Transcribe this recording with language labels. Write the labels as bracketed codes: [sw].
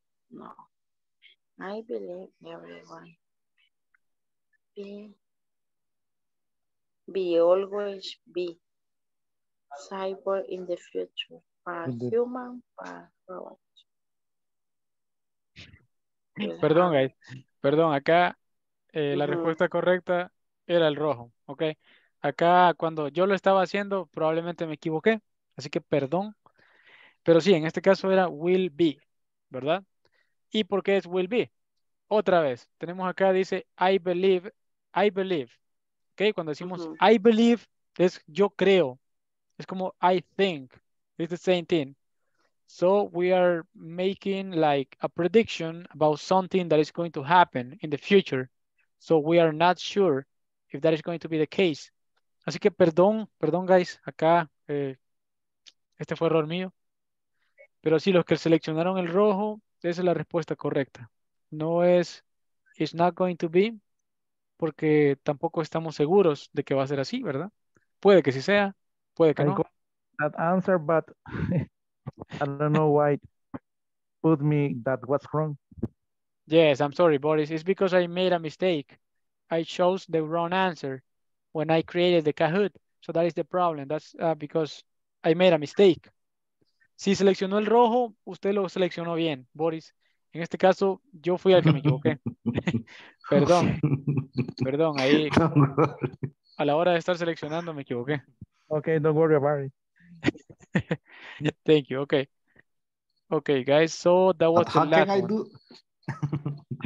[es] No. [en] I believe everyone be always be cyber in the future, but human, but robot. [es] Perdón, guys. Perdón, acá la respuesta correcta era el rojo, ¿ok? Acá, cuando yo lo estaba haciendo, probablemente me equivoqué, así que perdón. Pero sí, en este caso era [en] will be, [es] ¿verdad? ¿Y por qué es will be? Otra vez, tenemos acá, dice, [en] I believe, [es] ¿ok? Cuando decimos [en] I believe, [es] es yo creo, es como [en] I think, it's the same thing. So we are making like a prediction about something that is going to happen in the future. So we are not sure if that is going to be the case. [es] Así que perdón, perdón, guys, acá este fue error mío. Pero sí, los que seleccionaron el rojo, esa es la respuesta correcta. No es, [en] it's not going to be, [es] porque tampoco estamos seguros de que va a ser así, ¿verdad? Puede que sí sea, puede que [en] I no. I got that answer, but I don't know why it put me that was wrong. Yes, I'm sorry, Boris. It's because I made a mistake. I chose the wrong answer when I created the Kahoot. So that is the problem. That's because I made a mistake. [es] Si seleccionó el rojo, usted lo seleccionó bien, Boris. En este caso, yo fui al que me equivoqué. Perdón. Perdón, ahí. A la hora de estar seleccionando, me equivoqué. [en] Ok, don't worry about it. Thank you, ok. Ok, guys, so that was the last one.